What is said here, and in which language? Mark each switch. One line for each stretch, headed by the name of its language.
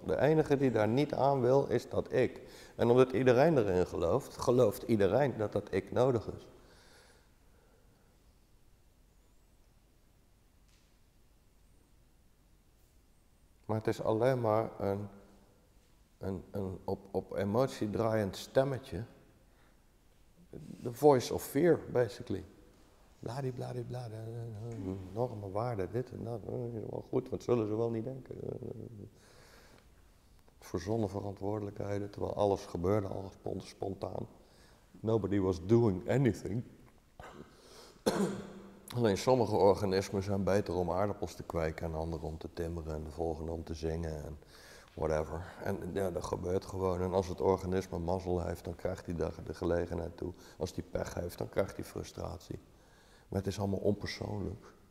Dutch: De enige die daar niet aan wil, is dat ik. En omdat iedereen erin gelooft, gelooft iedereen dat ik nodig is. Maar het is alleen maar een op emotie draaiend stemmetje.
English: The voice of fear, basically.
Dutch: Bladibladibla, enorme waarde, dit en dat. Is wel goed, wat zullen ze wel niet denken? Verzonnen verantwoordelijkheden, terwijl alles gebeurde al spontaan.
English: Nobody was doing anything.
Dutch: Alleen sommige organismen zijn beter om aardappels te kweken en andere om te timmeren en de volgende om te zingen en whatever. En ja, dat gebeurt gewoon. En als het organisme mazzel heeft, dan krijgt hij daar de gelegenheid toe. Als hij pech heeft, dan krijgt hij frustratie. Maar het is allemaal onpersoonlijk.